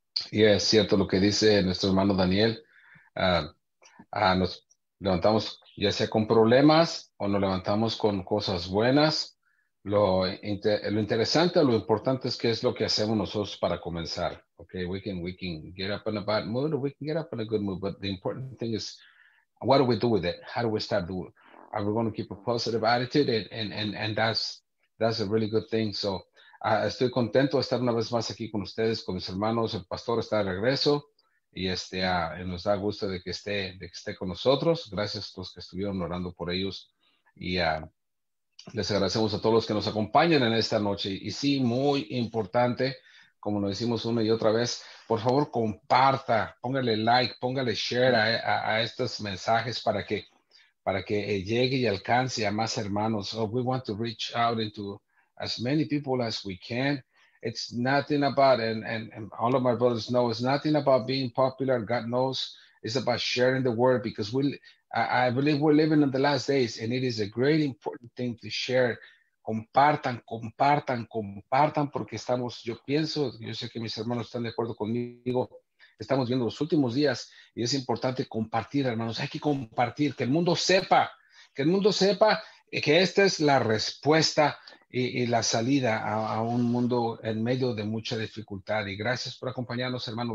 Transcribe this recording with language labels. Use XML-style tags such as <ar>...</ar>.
<es>Y es cierto lo que dice nuestro hermano Daniel. Nos levantamos ya sea con problemas o nos levantamos con cosas buenas. Lo interesante, lo importante es qué es lo que hacemos nosotros para comenzar.</es> <en>Okay, we can get up in a bad mood or we can get up in a good mood. But the important thing is, what do we do with it? How do we start doing? Are we going to keep a positive attitude? And that's a really good thing.</en> <es>So estoy contento de estar una vez más aquí con ustedes, con mis hermanos. El pastor está de regreso y nos da gusto de que esté con nosotros. Gracias a los que estuvieron orando por ellos y les agradecemos a todos los que nos acompañan en esta noche. Y sí, muy importante, como lo decimos una y otra vez, por favor comparta, póngale like, póngale share a estos mensajes para que llegue y alcance a más hermanos.</es> <en>Oh, we want to reach out into as many people as we can. It's nothing about, and all of my brothers know, it's nothing about being popular. God knows, it's about sharing the word, because I believe we're living in the last days, and it is a great important thing to share.</en> <es>Compartan, porque estamos, yo sé que mis hermanos están de acuerdo conmigo, estamos viendo los últimos días y es importante compartir, hermanos. Hay que compartir, que el mundo sepa que esta es la respuesta y la salida a un mundo en medio de mucha dificultad. Y gracias por acompañarnos, hermanos.</es>